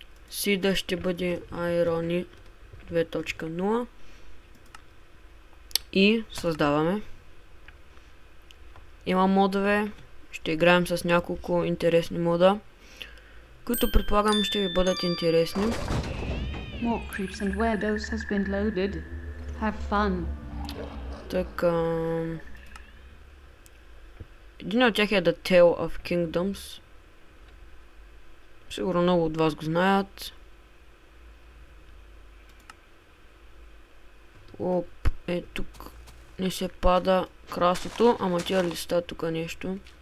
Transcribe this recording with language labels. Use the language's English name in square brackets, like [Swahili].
[Bulgarian] Сида ще бъде Ерони 2.0 и създаваме. Има модове, ще играем с няколко интересни мода, които предполагам ще ви бъдат интересни. [English] More creeps and weirdos has been loaded. Have fun. [Bulgarian] Така. Един от тях е The Tale of Kingdoms. Сигурно много от вас го знаят. Оп, е тук. Не се пада красото, ама тия листа тук нещо.